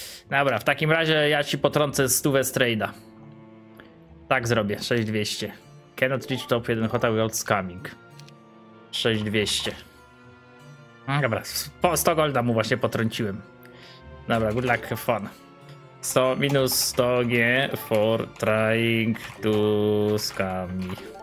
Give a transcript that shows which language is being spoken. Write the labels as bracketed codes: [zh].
[pl] Dobra, w takim razie ja ci potrącę 100 z trade'a. Tak zrobię, 6200. [en] Cannot reach top 1 hotel without scamming. [pl] 6200. Dobra, 100 golda mu właśnie potrąciłem. [en] Dobra, good luck, have fun. 100 minus 100 G for trying to scam me.